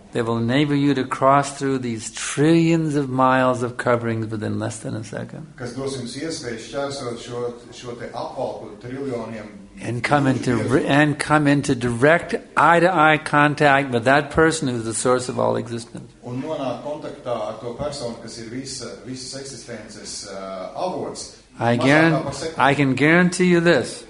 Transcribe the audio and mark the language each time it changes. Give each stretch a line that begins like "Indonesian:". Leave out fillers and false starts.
English: They will enable you to cross through these trillions of miles of coverings within less than a second.
Latvian: Kas dos jums iespēju šķērsot šo te apvalku triljoniem.
English: And come into direct eye-to-eye contact with that person who is the source of all existence.
Latvian: Un nonāk kontaktā ar to personu, kas ir visas eksistences avots.
English: I can guarantee you this.